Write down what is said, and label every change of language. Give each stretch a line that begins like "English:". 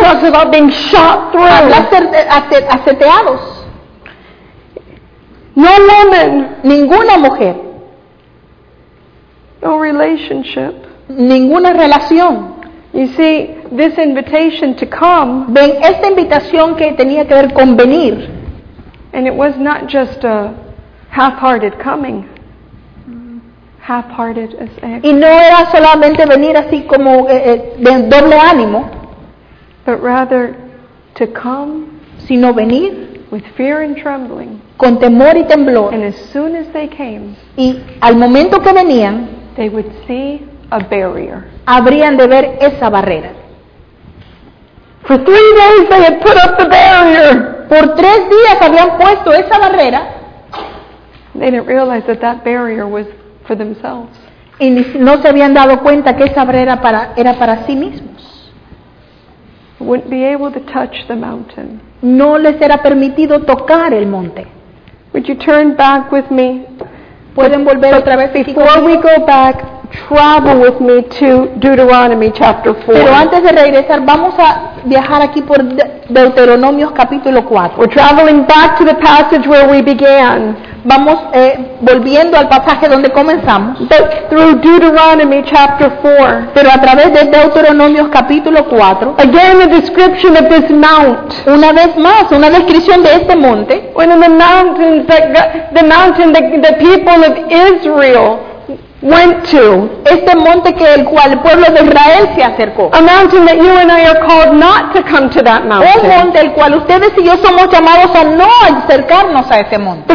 English: Talks about being shot through.
Spanish: Habla aceteados.
English: No woman.
Spanish: Ninguna mujer.
English: No relationship.
Spanish: Ninguna relación.
English: You see, this invitation to come.
Spanish: Ven, esta invitación que tenía que ver con venir.
English: And it was not just a half-hearted coming. Half-hearted as ever.
Spanish: Y no era solamente venir así como de doble ánimo.
English: But rather to come.
Spanish: Sino venir.
English: With fear and trembling.
Spanish: Con temor y temblor.
English: And as soon as they came.
Spanish: Y al momento que venían.
English: They would see a barrier.
Spanish: Habrían de ver esa barrera.
English: For 3 days they had put up the barrier.
Spanish: Por 3 días habían puesto esa barrera.
English: They didn't realize that that barrier was for themselves.
Spanish: Y no se habían dado cuenta que esa barrera era para sí mismos.
English: Wouldn't be able to touch the mountain.
Spanish: No les era permitido tocar el monte.
English: Would you turn back with me?
Spanish: Pueden volver otra vez.
English: Before we go back, travel with me to Deuteronomy chapter 4.
Spanish: Pero antes de regresar, vamos a viajar aquí por Deuteronomios capítulo 4.
English: We're traveling back to the passage where we began.
Spanish: Vamos volviendo al pasaje donde comenzamos.
English: But through Deuteronomy chapter 4.
Spanish: Pero a través de Deuteronomios capítulo 4.
English: Again the description of this mount.
Spanish: Una vez más, una descripción de este monte.
English: When in the mountains, the mountain, the people of Israel. went to.
Spanish: Este monte que el cual el pueblo de Israel se acercó.
English: A mountain that you and I are called not to come to that mountain.
Spanish: Un monte al cual ustedes y yo somos llamados a no acercarnos a ese monte.